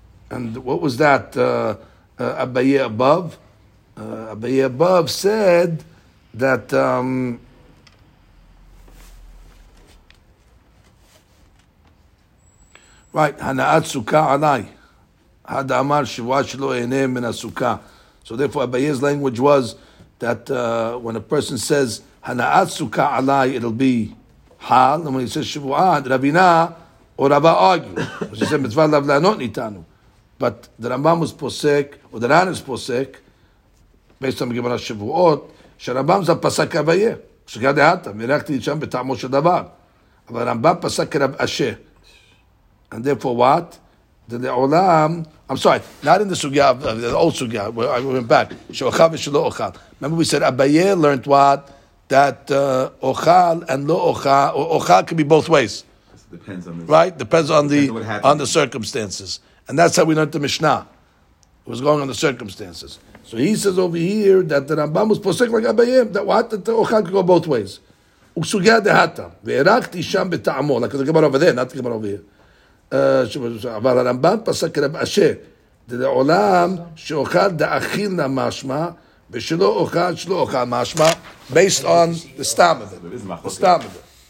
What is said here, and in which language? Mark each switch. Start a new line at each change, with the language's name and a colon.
English: And what was that אביה above? אביה above said that right,
Hebrew: הנאת סוכה עליי. הד אמר שבועה שלא אהנה מן הסוכה.
English: So therefore אביה's language was that when a person says Hana'at Sukkah Alai, it'll be Hal, and when he says Shavu'ah, Rabina or Rabba argue. He said Mitzvah Lav La'anot Nitanu, but the Rambam was posek, or the Ran is posek, based on the Gemara Shavu'ot, Sharambam is a pasak Abaye. Sukkah Dehata, Mirakti Yisham B'Tamo Shel Davar, but Rambam pasak Rab Asher, and therefore what? The Le'olam, I'm sorry, not in the sugyah, the old sugyah, where I went back. She'ochal v'shelo ochal. Remember we said Abaye learned what? That ochal and lo ochal, ochal can be both ways. Depends on the, right? Depends on the on the circumstances. And that's how we learned the Mishnah. It was going on the circumstances. So he says over here that the Rambam was posek like Abaye, that what? That ochal could go both ways.
Hebrew: Uksugyah dehata. Ve'erachti sham b'ta'amo.
English: Like the Gemara over there, not the Gemara over here.
Hebrew: אבל הרמב״ם פסק רב אשר דלעולם שאוכל דאכיל למשמע ושלא אוכל שלא אוכל משמע
English: based on the stam of it.